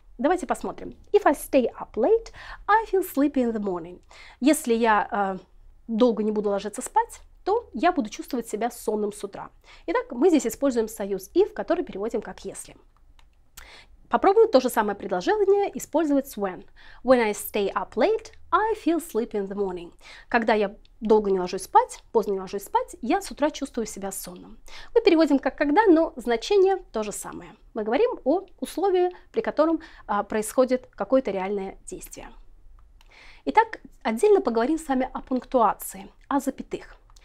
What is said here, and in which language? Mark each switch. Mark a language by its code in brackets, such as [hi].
[ru] Давайте посмотрим. [en] If I stay up late, I feel sleepy in the morning. [ru] Если я долго не буду ложиться спать, то я буду чувствовать себя сонным с утра. Итак, мы здесь используем союз if, который переводим как если. Попробую то же самое предложение использовать с when. [en] When I stay up late, I feel sleepy in the morning. [ru] Когда я долго не ложусь спать, поздно не ложусь спать, я с утра чувствую себя сонным. Мы переводим как когда, но значение то же самое. Мы говорим о условии, при котором происходит какое-то реальное действие. Итак, отдельно поговорим с вами о пунктуации, о запятых.